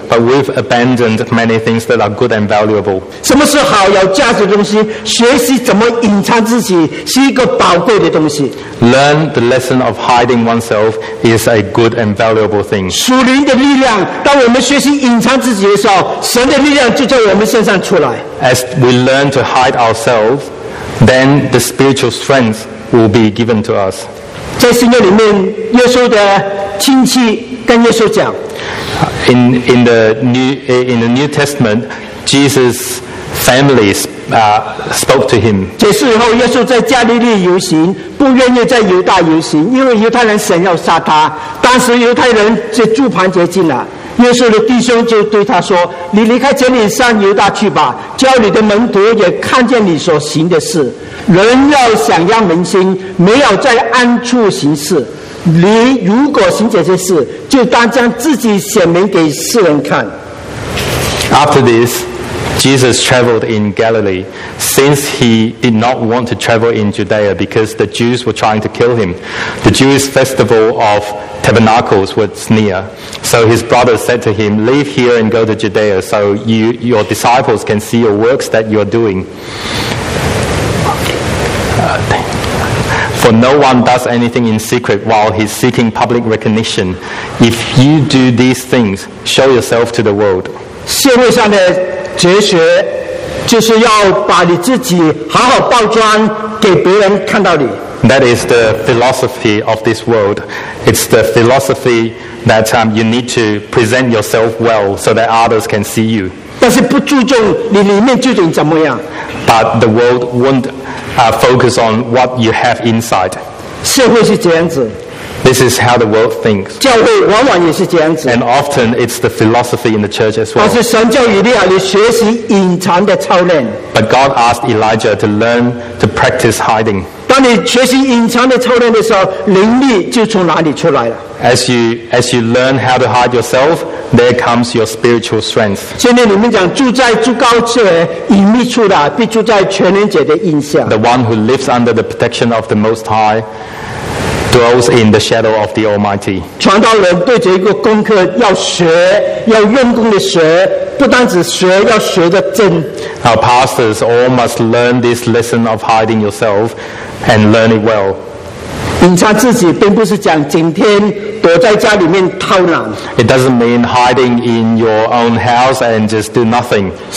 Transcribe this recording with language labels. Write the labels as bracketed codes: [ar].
[en] But we've abandoned many things that are good and valuable. [zh] 什么是好、有价值的东西？学习怎么隐藏自己是一个宝贵的东西。 [en] Learn the lesson of hiding oneself is a good and valuable thing. [zh] 属灵的力量，当我们学习隐藏自己的时候，神的力量就在我们身上出来。 [en] As we learn to hide ourselves, then the spiritual strength will be given to us. [zh] 在圣经里面，耶稣的亲戚跟耶稣讲。 [en] In the New Testament, Jesus' families spoke to him. [zh] 这时候耶稣在加利利游行，不愿意在犹大游行，因为犹太人想要杀他。当时犹太人在住棚节进来，耶稣的弟兄就对他说：“你离开这里上犹大去吧，叫你的门徒也看见你所行的事。人要想要明心，没有在暗处行事。你如果行这些事，就当将自己显明给世人看。” [en] After this, Jesus traveled in Galilee. Since he did not want to travel in Judea because the Jews were trying to kill him, the Jewish festival of Tabernacles was near. So his brother said to him, "Leave here and go to Judea so your disciples can see your works that you are doing. For no one does anything in secret while he's seeking public recognition. If you do these things, show yourself to the world." [zh] 社会上的哲学就是要把你自己好好包装给别人看到你。 [en] That is the philosophy of this world. It's the philosophy that you need to present yourself well so that others can see you. [zh] 但是不注重你里面究竟怎么样。 [en] But the world won't focus on what you have inside. [zh] 社会是这样子。 [en] This is how the world thinks. [zh] 教会往往也是这样子。 [en] And often it's the philosophy in the church as well. [zh] 而是神教以利亚你学习隐藏的操练。 [en] But God asked Elijah to learn to practice hiding. [zh] 当你学习隐藏的操练的时候，灵力就从哪里出来了？ [en] As you learn how to hide yourself, there comes your spiritual strength. [zh] 现在你们讲住在至高者隐密处的，必住在全能者的荫下。 [en] The one who lives under the protection of the Most High dwells in the shadow of the Almighty. [zh] 传道人对着一个功课要学，要用功的学，不单只学，要学的真。Our [en] pastors all must learn this lesson of hiding yourself and learn it well. [zh] 隐藏自己并不是讲整天躲在家里面偷懒。It [en] doesn't mean hiding in your own house and just do nothing.